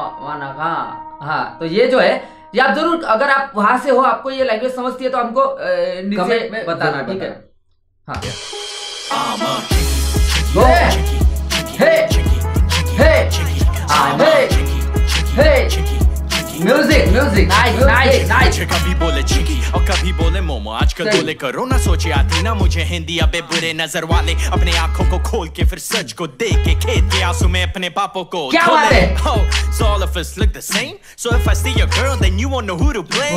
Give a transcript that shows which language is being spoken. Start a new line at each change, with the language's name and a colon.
Hindi: माना का, हाँ, तो ये जो है आप जरूर, अगर आप वहां से हो, आपको ये लैंग्वेज समझती है तो हमको नीचे में बताना, ठीक है। हाँ, हे हे हे हे हे, music music,
English: Nice nice nice.
Hindi: कभी बोले चिकी और कभी बोले मोमो, आजकल बोले करो ना, सोचे आती ना मुझे हिंदी, अबे बुरे नजर वाले अपने आंखों को खोल के फिर सच को देख के खेते आंसू में अपने पापों को, क्या बात है।
English: So all of us look the same, so if I see your girl then you won't know who to blame.